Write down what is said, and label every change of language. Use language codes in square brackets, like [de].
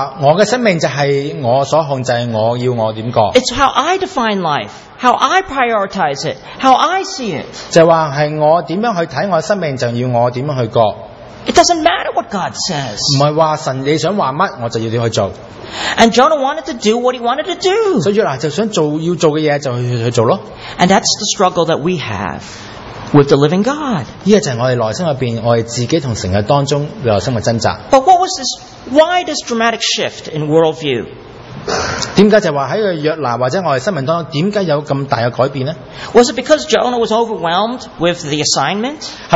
[zh] 约拿就讲，就是说，我的生命就是我所控制，我要我怎么过。 [en] It's how I define life, how I prioritize it, how I see it. [zh] 就是说，是我怎样去看我的生命，就要我怎样去过。 [en] It doesn't matter what God says. [zh] 不是说神你想说什么，我就要你去做。 [en] And Jonah wanted to do what he wanted to do. [zh] 所以约拿就想做要做的事，就去做咯。 [en] And that's the struggle that we have with the living God. [zh] 这就是我们内心里面，我们自己和神的当中内心的挣扎。 [en] But what was this? Why this dramatic shift in worldview? [zh] 为什么就是说在约拿或者我们生命当中，为什么有这么大的改变呢？ [en] Was it because Jonah was overwhelmed with the assignment?